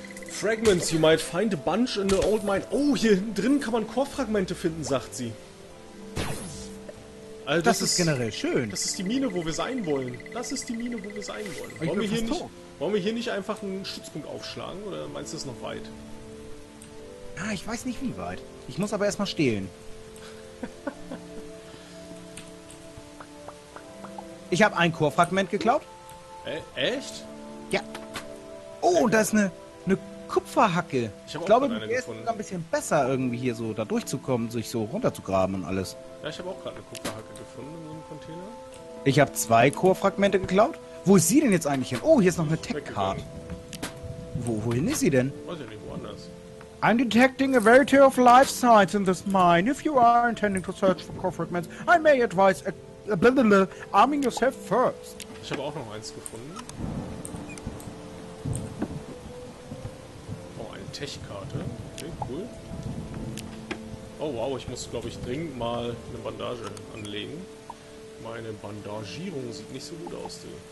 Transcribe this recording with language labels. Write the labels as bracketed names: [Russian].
[English] Fragments, you might find a bunch in the old mine. [German] Oh, hier hinten drin kann man Chorfragmente finden, sagt sie. Also, das ist generell schön. Das ist die Mine, wo wir sein wollen. Das ist die Mine, wo wir sein wollen. Wollen wir hier nicht einfach einen Stützpunkt aufschlagen? Oder meinst du es noch weit? Ah, ich weiß nicht, wie weit. Ich muss aber erstmal stehlen. Ich habe ein Chorfragment geklaut. Echt? Ja. Oh, und da ist eine Kupferhacke. Ich glaube, mir ist es ein bisschen besser, irgendwie hier so da durchzukommen, sich so runterzugraben und alles. Ja, ich habe auch gerade eine Kupferhacke gefunden in so einem Container. Ich habe zwei Chorfragmente geklaut. Wo ist sie denn jetzt eigentlich hin? Oh, hier ist noch eine Tech-Card. Wohin ist sie denn? Weiß ich nicht, woanders. [English] I'm detecting a variety of life signs in this mine. If you are intending to search for Chorfragments, I may advise arming yourself first. [German] Ich habe auch noch eins gefunden. Oh, eine Tech-Karte. Okay, cool. Oh wow, ich muss, glaube ich, dringend mal eine Bandage anlegen. Meine Bandagierung sieht nicht so gut aus, du.